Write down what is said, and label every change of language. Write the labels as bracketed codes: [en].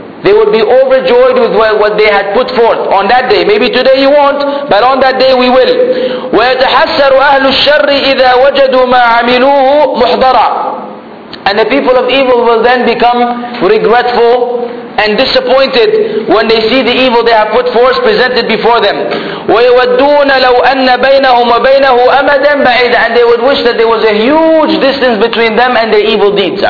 [en] They would be overjoyed with what they had put forth on that day. Maybe today you won't, but on that day we will. [ar] وَيَتَحَسَّرُ أَهْلُ الشَّرِّ إِذَا وَجَدُوا مَا عَمِلُوهُ مُحْضَرًا. [en] And the people of evil will then become regretful and disappointed when they see the evil they have put forth presented before them. [ar] وَيَوَدُّونَ لَوْ أَنَّ بَيْنَهُمْ وَبَيْنَهُ أَمَدًا بَعِيدًا. [en] And they would wish that there was a huge distance between them and their evil deeds.